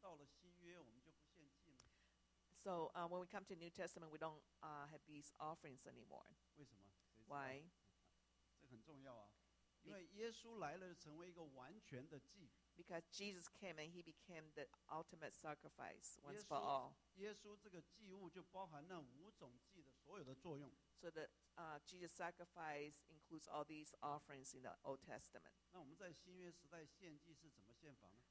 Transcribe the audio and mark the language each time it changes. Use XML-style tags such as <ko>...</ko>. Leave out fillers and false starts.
<zh>所以你说为什么到了新约我们就不献祭呢？</zh> <en>So when we come to New Testament, we don't have these offerings anymore.</en> <zh>为什么？</zh> <en>Why?</en> <zh>这很重要啊。因为耶稣来了，成为一个完全的祭。</zh> <en>Because Jesus came and he became the ultimate sacrifice once for all.</en> <zh>耶稣这个祭物就包含那五种祭的所有的作用。</zh> <en>So the Jesus sacrifice includes all these offerings in the Old Testament.</en> <zh>那我们在新约时代献祭是怎么献法呢？</zh>